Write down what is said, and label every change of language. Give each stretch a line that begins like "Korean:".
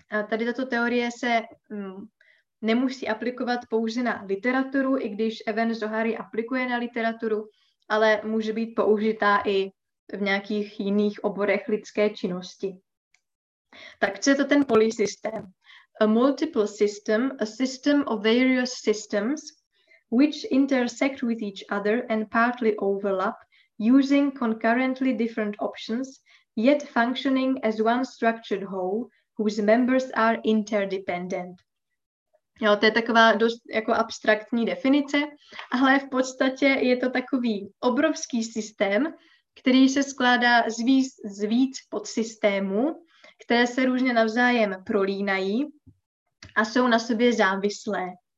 Czech: Tady tato teorie se nemusí aplikovat pouze na literaturu, i když Even Zohar ji aplikuje na literaturu, ale může být použitá i v nějakých jiných oborech lidské činnosti. Tak co je to ten polysystém?
English: A multiple system, a system of various systems, which intersect with each other and partly overlap, using concurrently different options, yet functioning as one structured whole, whose members are interdependent.
Czech: Jo, to je taková dost jako abstraktní definice, ale v podstatě je to takový obrovský systém, který se skládá z víc podsystémů, které se různě navzájem prolínají a jsou na sobě závislé.